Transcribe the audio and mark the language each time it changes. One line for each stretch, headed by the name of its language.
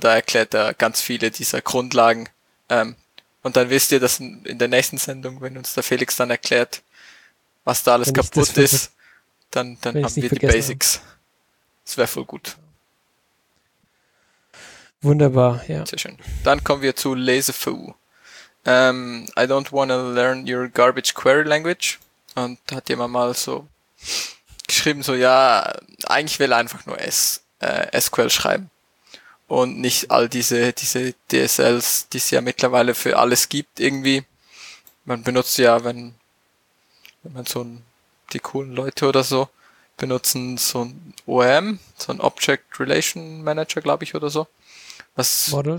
German: Da erklärt er ganz viele dieser Grundlagen. Und dann wisst ihr, dass in der nächsten Sendung, wenn uns der Felix dann erklärt, was da alles kaputt ist, dann haben wir die Basics. Das wäre voll gut. Wunderbar, ja. Sehr schön. Dann kommen wir zu LazyFoo.
English: I don't wanna learn your garbage query language.
German: Und da hat jemand mal so geschrieben, so, ja, eigentlich will er einfach nur SQL schreiben. Und nicht all diese DSLs, die es ja mittlerweile für alles gibt, irgendwie. Man benutzt ja, wenn man so ein, die coolen Leute oder so, benutzen so ein OM, so ein Object Relation Manager, glaube ich, oder so. Was Model.